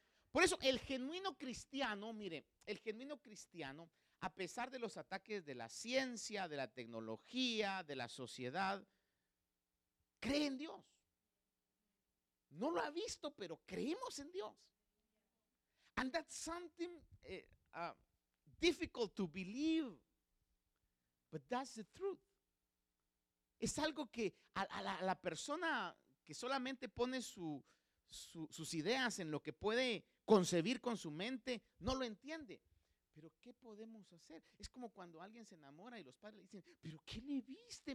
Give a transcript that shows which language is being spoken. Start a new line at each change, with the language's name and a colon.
Spanish: Por eso el genuino cristiano, mire, el genuino cristiano, a pesar de los ataques de la ciencia, de la tecnología, de la sociedad, cree en Dios. No lo ha visto, pero creemos en Dios.
English: And that's something difficult to believe, but that's the truth.
Spanish: Es algo que a la persona que solamente pone sus ideas en lo que puede concebir con su mente, no lo entiende. Pero ¿qué podemos hacer? Es como cuando alguien se enamora y los padres le dicen, pero ¿qué le viste?